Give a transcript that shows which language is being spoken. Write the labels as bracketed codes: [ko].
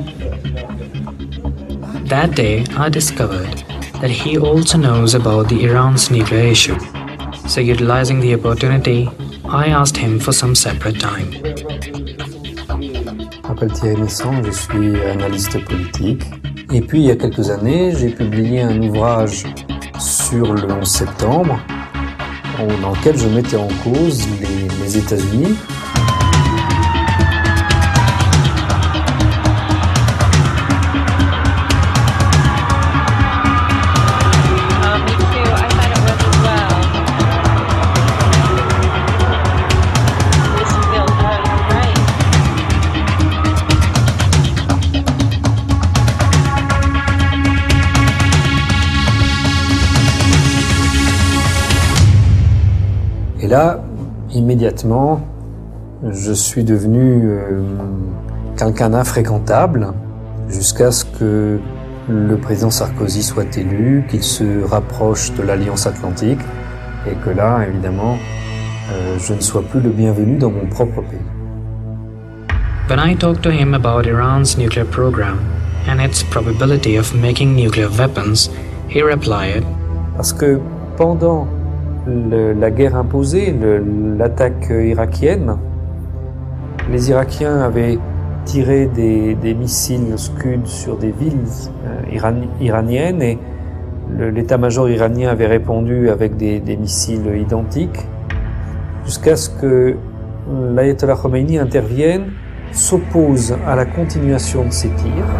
[en] That day, I discovered that he also knows about the Iran's nuclear issue. So utilizing the opportunity, I asked him for some separate time. I'm Thierry Messon, I'm an analyst of politics. [fr] Et puis, il y a quelques années, j'ai publié un ouvrage sur le 11 septembre, dans lequel je mettais en cause les États-Unis. [en] Me too, I thought it was as well. [fr] là, immédiatement, je suis devenu quelqu'un d'infréquentable jusqu'à ce que le président Sarkozy soit élu, qu'il se rapproche de l'Alliance Atlantique et que là, évidemment, je ne sois plus le bienvenu dans mon propre pays. [en] When I talk to him about Iran's nuclear program and its probability of making nuclear weapons, he replied, [fr] parce que pendant la guerre imposée, l'attaque irakienne, les Irakiens avaient tiré des missiles Scud sur des villes iraniennes et l'état-major iranien avait répondu avec des missiles identiques jusqu'à ce que l'ayatollah Khomeini intervienne, s'oppose à la continuation de ces tirs.